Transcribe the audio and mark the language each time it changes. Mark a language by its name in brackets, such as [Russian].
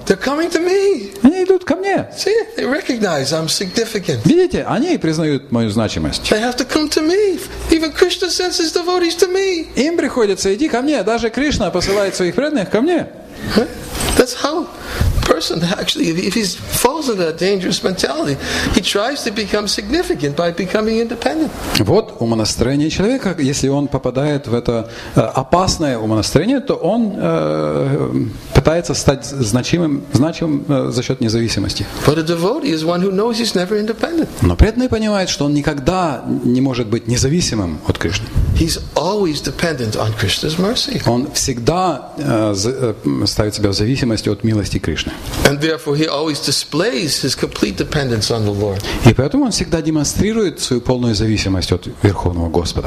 [English] They're coming to me. [Russian] Они идут ко мне. [English] See, they recognize I'm significant. [Russian] Видите, они признают мою значимость. [English] They have to come to me. Even Krishna sends his devotees to me. [Russian] Им приходится идти ко мне. Даже Кришна посылает своих преданных ко мне. [English] That's how person actually, if he falls into that dangerous mentality, he tries to become significant by becoming independent. [Russian] Вот умонастроение человека, если он попадает в это опасное умонастроение, то он пытается стать значимым за счет независимости. [English] But a devotee is one who knows he's never independent. [Russian] Но преданный понимает, что он никогда не может быть независимым от Кришны. [English] He's always dependent on Krishna's mercy. [Russian] Он всегда ставит себя в зависимости от милости Кришны. [English] And therefore, he always displays his complete dependence on the Lord. [Russian] И поэтому он всегда демонстрирует свою полную зависимость от Верховного Господа.